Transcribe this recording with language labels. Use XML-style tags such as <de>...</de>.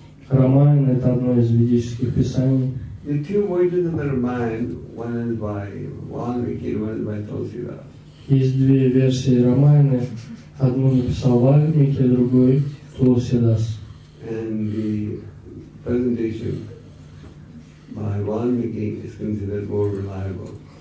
<ru>Рамаян — это одно из ведических писаний.</ru> <en>The two versions of the Ramayana, one is by Valmiki, one is by Tulsidas.</en> <ru>Есть две версии Рамаяны. Одну написал Валмики, другой — Тулсидас.</ru> <en>And the presentation by Valmiki is considered more reliable.</en>